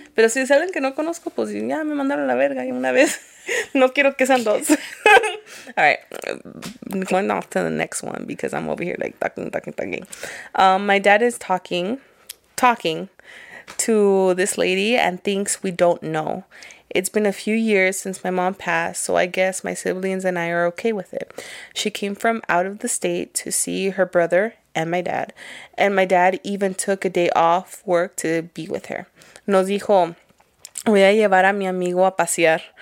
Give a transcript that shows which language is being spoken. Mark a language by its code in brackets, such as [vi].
[es] Pero si es alguien que no conozco, pues ya me mandaron la verga una vez. No quiero que sean dos. [en] All right. Going off to the next one because I'm over here talking. My dad is talking to this lady and thinks we don't know. It's been a few years since my mom passed, so I guess my siblings and I are okay with it. She came from out of the state to see her brother and my dad. And my dad even took a day off work to be with her. [es] Nos dijo, voy a llevar a mi amigo a pasear.